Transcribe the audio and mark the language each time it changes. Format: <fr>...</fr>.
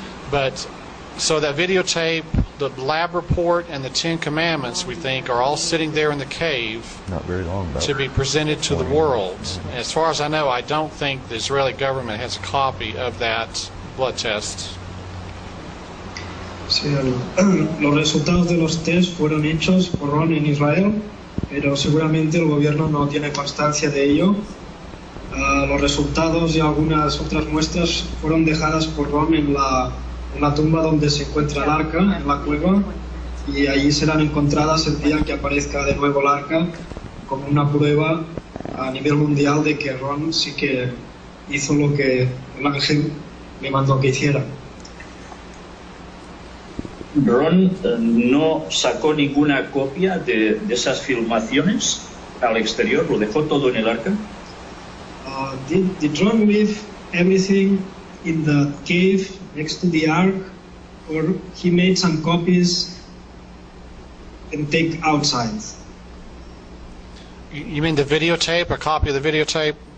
<en>But so that videotape, the lab report, and the Ten Commandments, we think, are all sitting there in the cave. Not very long, though. To be presented to the world. Mm-hmm. As far as I know, I don't think the Israeli government has a copy of that blood test.</en> <es>Sí, los resultados de los tests fueron hechos por Ron en Israel, pero seguramente el gobierno no tiene constancia de ello. Los resultados y algunas otras muestras fueron dejadas por Ron en la tumba donde se encuentra el arca, en la cueva, y allí serán encontradas el día que aparezca de nuevo el arca, como una prueba a nivel mundial de que Ron sí que hizo lo que el ángel le mandó que hiciera. Ron no sacó ninguna copia de esas filmaciones al exterior, lo dejó todo en el arca.</es> <en>Did Ron leave everything in the cave next to the ark, or he made some copies and take outside? You mean the videotape, a copy of the videotape?</en>